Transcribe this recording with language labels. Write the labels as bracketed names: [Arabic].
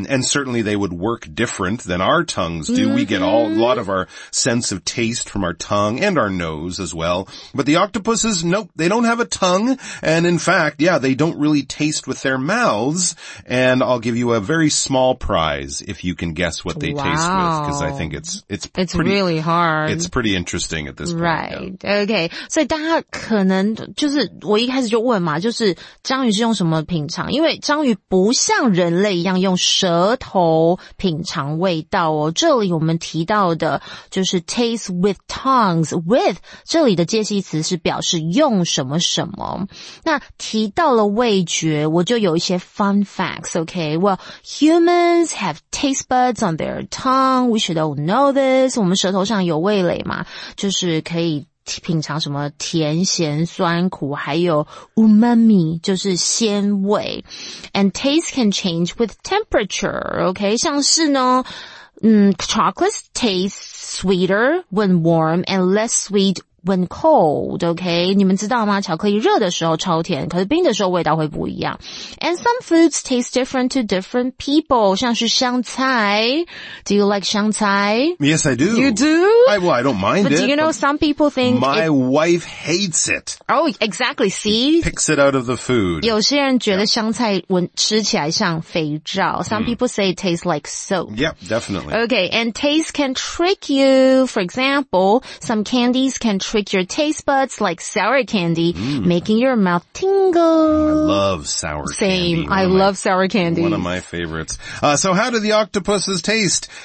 [English] And certainly they would work different than our tongues do. Mm-hmm. We get a lot of our sense of taste from our tongue and our nose as well. But the octopuses, nope, they don't have a tongue. And in fact, yeah, they don't really taste with their mouths. And I'll give you a very small prize if you can guess what they taste with, because I think it's pretty, really hard. It's pretty interesting at this point. Right. Yeah. Okay. [Chinese] 所以大家可能就是我一开始就问嘛，就是章鱼是用什么品尝？因为章鱼不像人类一样用舌头品尝味道哦。这里我们提到的就是 [English] taste with tongues with [Chinese] 这里的介系词是表示用什么什么。那提到了味觉，我就有一些 fun facts. Okay. [English] Well, humans have taste buds. On their tongue, we should all know this. [Chinese] 我们舌头上有味蕾嘛，就是可以品尝什么甜、咸、酸、苦，还有 umami 就是鲜味。 [English] And taste can change with temperature. Okay, [Chinese] 像是呢， [English] chocolates taste sweeter when warm and less sweet. When cold, okay? [Chinese] 你们知道吗？巧克力热的时候超甜，可是冰的时候味道会不一样。 [English] And some foods taste different to different people, [Chinese] 像是香菜。 [English] Do you like 香菜? Yes, I do. You do? I don't mind but it. But do you know some people think My wife hates it. Oh, exactly, see? She picks it out of the food. [Chinese] 有些人觉得香菜吃起来像肥皂。 [English] Some people say it tastes like soap. Yep, definitely. Okay, and taste can trick you. For example, some candies can trick your taste buds like sour candy, making your mouth tingle. I love sour candy. One of my favorites. So how do the octopuses taste?